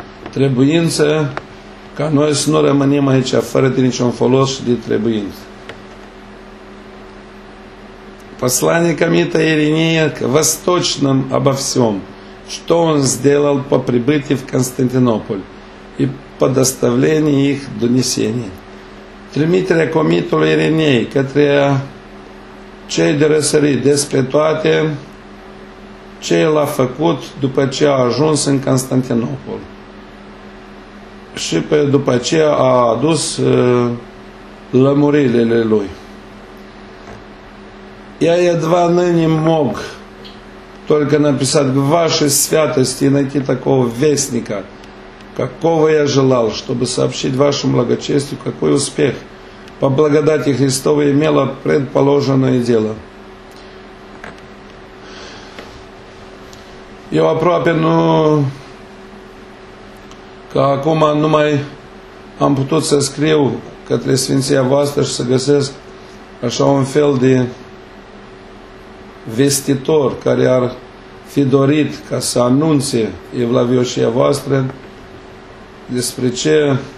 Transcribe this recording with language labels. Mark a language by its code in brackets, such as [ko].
[ro] trebuință, ca noi să nu rămânem aici fără de niciun folos de trebuință. [ru] Послание комита Иринея к восточным обо всем, что он сделал по прибытии в Константинополь и по доставлении их донесений. [ro] Trimiterea comitului Ireniei către cei de răsărit despre toate ce el a făcut după ce a ajuns în Constantinopol și pe după ce a adus lămurilele lui. [ru] Я едва ныне мог только написать к вашей святости и найти такого вестника, какого я желал, чтобы сообщить вашему благочестию, какой успех по благодати Христовой имело предположенное дело. [ro] Eu aproape nu, că acum numai am putut să scriu către Sfinția voastră și să găsesc așa un fel de vestitor care ar fi dorit ca să anunțe evlavioșia voastră despre ce